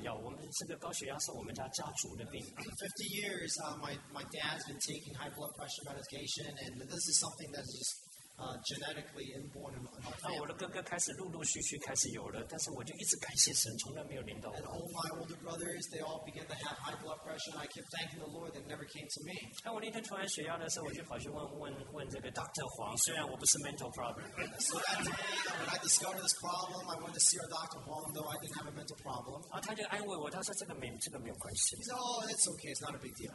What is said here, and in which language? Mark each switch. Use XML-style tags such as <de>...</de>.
<zh>然后我的父亲50年来都吃高血压的药，我们这个高血压是我们家家族的病。50</zh> <en>years, my dad's been taking high blood pressure medication, and this is something that is just genetically inborn in my family.</en> <zh>我的哥哥开始陆陆续续开始有了，但是我就一直感谢神，从来没有领导我。</zh> <en>And all my older brothers, they all began to have high blood pressure, and I kept thanking the Lord that never came to me.</en> <zh>我那天突然血压的时候，我就跑去问这个 Dr. Huang，虽然我不是</zh> <en>mental problem。 So that day, when I discovered this problem. I went to see our doctor, Wong, though I didn't have a mental problem. He said, oh, that's okay. It's not a big deal.</en>